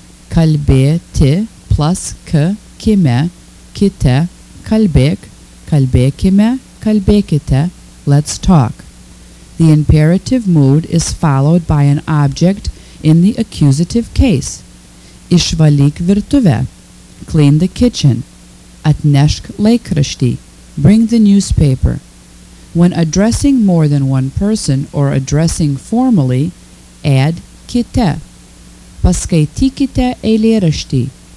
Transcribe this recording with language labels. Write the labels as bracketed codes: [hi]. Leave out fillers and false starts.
[lt] Kalbėti plus k, kime, kite, kalbėk, kalbėkime, kalbėkite, [en] let's talk. The imperative mood is followed by an object in the accusative case. [lt] Išvalyk virtuvę, [en] clean the kitchen. [lt] Atnešk laikraštį, [en] bring the newspaper. When addressing more than one person or addressing formally, add kite. [lt] Paskaitykite eilėraštį.